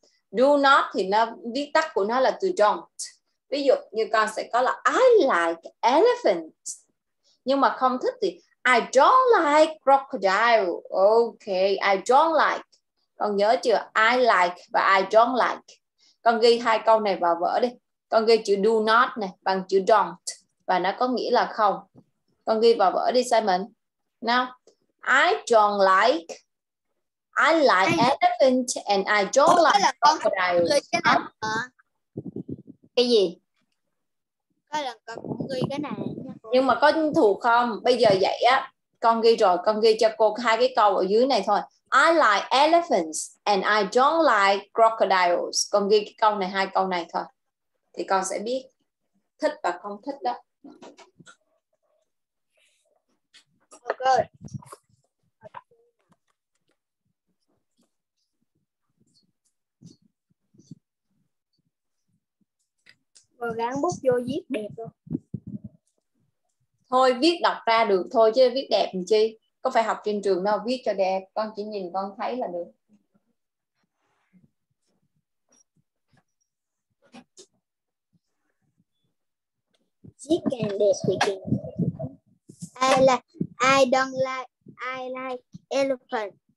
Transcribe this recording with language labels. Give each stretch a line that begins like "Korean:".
Vietnamese: Do not thì nó viết tắt của nó là từ don't. Ví dụ như con sẽ có là
English: I like elephant,
Vietnamese: nhưng mà không thích thì
English: I don't like crocodile. Okay, I don't like.
Vietnamese: Con nhớ chưa?
English: I like
Vietnamese: và
English: I don't like.
Vietnamese: Con ghi hai câu này vào vở đi. Con ghi chữ do not này bằng chữ don't và nó có nghĩa là không. Con ghi vào vở đi Simon.
English: Now I don't like, I like elephant and I don't like crocodile.
Vietnamese: Cái gì? Có lần con cũng ghi cái này. Nhưng mà có thuộc không? Bây giờ vậy á, con ghi rồi, con ghi cho cô hai cái câu ở dưới này thôi.
English: I like elephants and I don't like crocodiles.
Vietnamese: Con ghi cái câu này, hai câu này thôi. Thì con sẽ biết thích và không thích đó. Ok. Gắn bút vô viết đẹp luôn. Thôi viết đọc ra được thôi chứ viết đẹp làm chi. Có phải học trên trường đâu, viết cho đẹp. Con chỉ nhìn con thấy là được. Viết càng đẹp thì càng đẹp.
English: I like, I don't like, I like elephant.